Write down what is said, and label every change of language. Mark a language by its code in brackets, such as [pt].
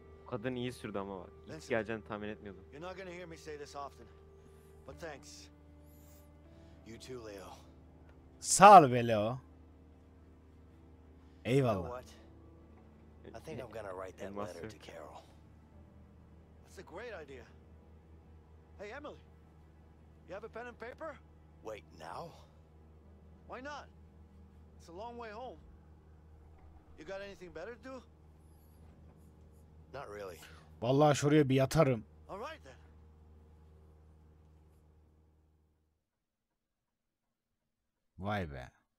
[tr] Kadın iyi sürdü ama bak. İlk geleceğini tahmin etmiyordum. [en] You're not gonna hear me say this often. But thanks. You too, Leo. [tr] Sağ ol be Leo. Eyvallah. [en] That's a great idea. Hey Emily. You have a pen and paper? Wait now. Why not? It's a long way home. You got anything better to do? Not really. [tr] Vallahi şuraya bir yatarım. [en] All right, then. [tr] Vay be.